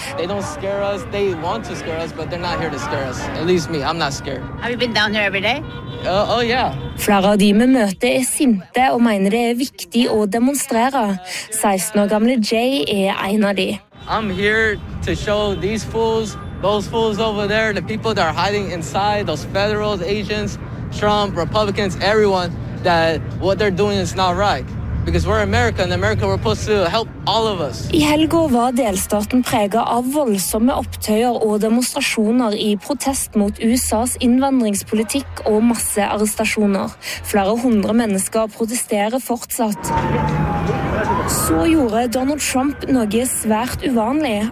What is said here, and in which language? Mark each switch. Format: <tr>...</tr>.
<en>They don't scare us, they want to scare us, but they're not here to scare us. At least me, I'm not scared. Have you been down here every day? Oh yeah.</en> <no>Flere av de med møte er sinte og mener det er viktig å demonstrere. 16 år gamle Jay er en av de.</no> <en>I'm here to show these fools, those fools over there, the people that are hiding inside, those federal agents, Trump, Republicans, everyone, that what they're doing is not right. Because we're America, and America, we're supposed to help all of us.</en> <no>I helgen var delstaten preget av voldsomme opptøyer og demonstrasjoner i protest mot USAs innvandringspolitikk og massearrestasjoner. Flere hundre mennesker protesterer fortsatt. Så gjorde Donald Trump noe svært uvanlig.</no>